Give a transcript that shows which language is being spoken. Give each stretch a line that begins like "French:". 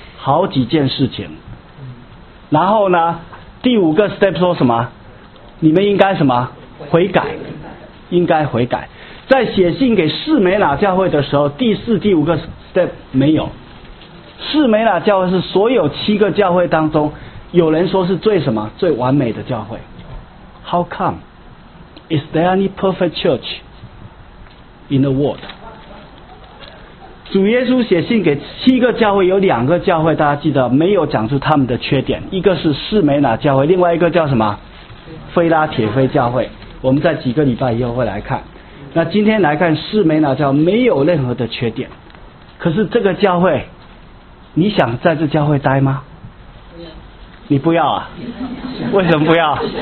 Chinese: 好几件事情。然后呢，第五个 step 说什么？你们应该什么？悔改，应该悔改。在写信给士美拿教会的时候，第四、第五个 step 没有。士美拿教会是所有七个教会当中，有人说是最什么最完美的教会。
English: How come? Is there any perfect church in the world?
Chinese: 主耶稣写信给七个教会，有两个教会大家记得没有讲出他们的缺点，一个是士美拿教会，另外一个叫什么？腓拉铁腓教会。我们在几个礼拜以后会来看。那今天来看士美拿教会没有任何的缺点，可是这个教会，你想在这教会待吗？你不要啊？为什么不要？